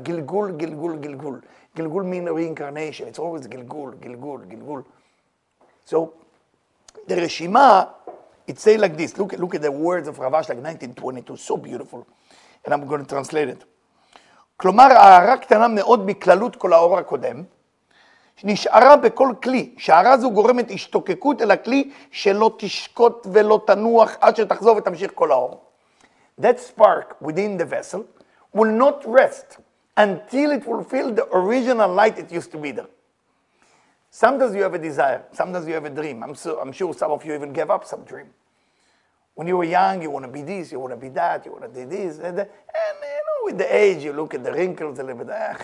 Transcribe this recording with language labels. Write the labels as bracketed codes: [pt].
[en] Gilgul, Gilgul, Gilgul. Gilgul means reincarnation. It's always Gilgul, Gilgul, Gilgul. So the Reshima, it say like this. Look at the words of Rav Ashlag, like 1922. So beautiful. And I'm going to translate it. [he] Klomar, ha'ara ktana me'od miklalut kol ha'or ha'kodem. נשארה בכל כלי, שערה זו גורמת השתוקקות אל הכלי שלא תשקוט ולא תנוח עד שתחזור ותמשיך כל האור. [en] That spark within the vessel will not rest until it fulfills the original light it used to be there. Sometimes you have a desire, sometimes you have a dream. I'm sure some of you even gave up some dream. When you were young, you want to be this, you want to be that, you want to do this. And you know, with the age, you look at the wrinkles a little bit.